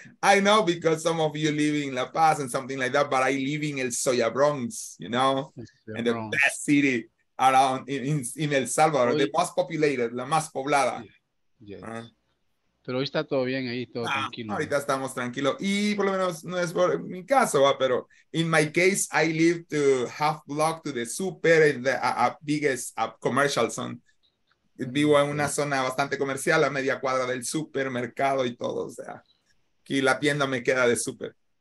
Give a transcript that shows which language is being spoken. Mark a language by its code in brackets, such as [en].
[en] I know because some of you live in La Paz and something like that, but I live in El Soya Bronx, you know, and the best city around in El Salvador, the most populated, [es] la más poblada. [en] Yes. [es] Pero hoy está todo bien ahí, todo tranquilo. Ahorita estamos tranquilos. Y por lo menos no es por mi caso, ¿va? [en] Pero in my case, I live to half block to the super and the biggest commercial zone. [es] Vivo en una zona bastante comercial, a media cuadra del supermercado y todo. O sea, aquí la tienda me queda de super.